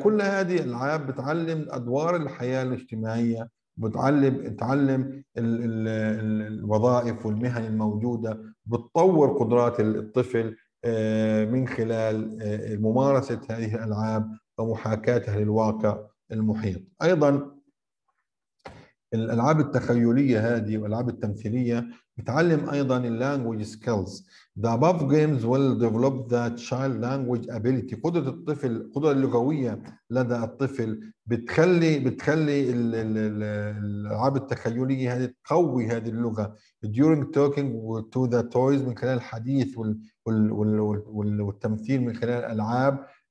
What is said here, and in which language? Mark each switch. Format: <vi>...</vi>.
<ar>كل هذه الألعاب بتعلم أدوار الحياة الاجتماعية، بتعلم الوظائف والمهن الموجودة، بتطور قدرات الطفل من خلال ممارسة هذه الألعاب ومحاكاتها للواقع المحيط. أيضا الألعاب التخيلية هذه والألعاب التمثيلية بتعلم أيضا language skills.</ar> <en>The above games will develop the child language ability.</en> <ar>قدرة الطفل، قدرة اللغوية لدى الطفل بتخلي الألعاب التخيلية هذه تقوي هذه اللغة.</ar> <en>During talking to the toys</en> <ar>من خلال الحديث والتمثيل من خلال الألعاب.</ar>